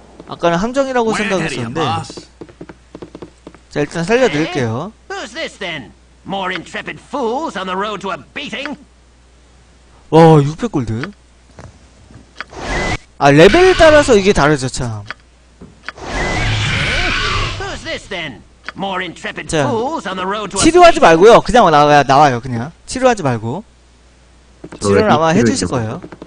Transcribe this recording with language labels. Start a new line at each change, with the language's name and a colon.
Korean: 아까는 함정이라고 생각했었는데 자 일단 살려드릴게요.
English: Who's this then? More intrepid fools on the road to a beating.
Korean: 와 600골드. 아 레벨 따라서 이게 다르죠 참.
English: Who's this then? More intrepid fools on the road to a.
Korean: 치료하지 말고요. 그냥 나와요 그냥. 치료하지 말고. 치료는 아마 해주실 거예요.